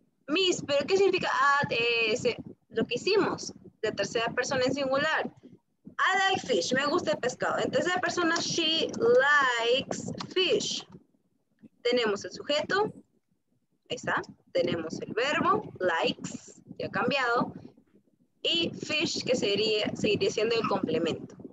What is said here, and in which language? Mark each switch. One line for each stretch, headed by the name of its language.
Spanish: Miss, ¿pero qué significa add ese? Lo que hicimos, de tercera persona en singular.
English: I like fish,
Spanish: me gusta el pescado. En tercera persona,
English: she likes fish.
Spanish: Tenemos el sujeto, ahí está. Tenemos el verbo, likes, ya ha cambiado. Y fish, que seguiría siendo el complemento.